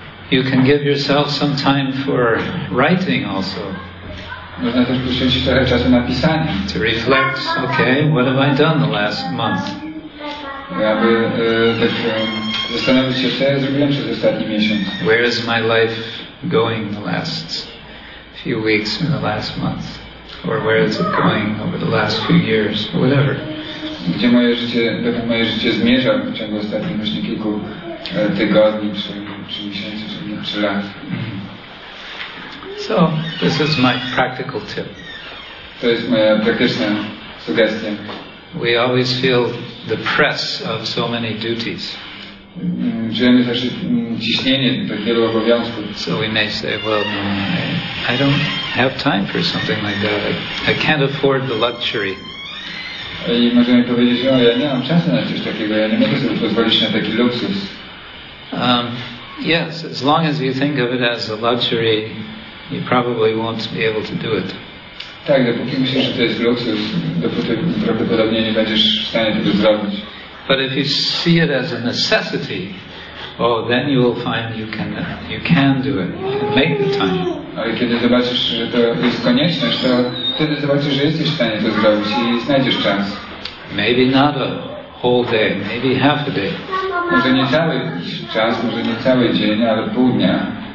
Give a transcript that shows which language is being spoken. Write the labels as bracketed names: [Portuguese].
[English] You can give yourself some time for writing also. [Polish] Można też poświęcić trochę czasu na pisanie. [English] To reflect, okay, what have I done the last month? [Polish] Aby tak zastanowić się, co ja zrobiłem przez ostatni miesiąc. [English] Where is my life going the last few weeks in the last month? Or where is it going over the last few years? Whatever. [Polish] Gdzie moje życie zmierza w ciągu ostatnich właśnie kilku tygodni, czy miesięcy, czy lat. [English] So, this is my practical tip. [Polish] To jest moja praktyczna sugestia. [English] We always feel the press of so many duties. [Polish] Czujemy też ciśnienie tak wielu obowiązków. [English] So we may say, well, no, I don't have time for something like that. I can't afford the luxury. [Polish] I możemy powiedzieć, o, ja nie mam czasu na coś takiego, ja nie mogę sobie pozwolić na taki luksus. [English] Yes, as long as you think of it as a luxury, you probably won't be able to do it. [Polish] Tak, dopóki myślisz, że to jest luksus, dopóty prawdopodobnie nie będziesz w stanie tego zrobić. [English] But if you see it as a necessity, oh, then you will find you can do it, you can make the time. [Polish] Ale kiedy zobaczysz, że to jest konieczność, to wtedy zobaczysz, że jesteś w stanie to zrobić i znajdziesz czas. [English] Maybe not a whole day, maybe half a day. [Polish] Może nie cały czas, może nie cały dzień, ale pół dnia.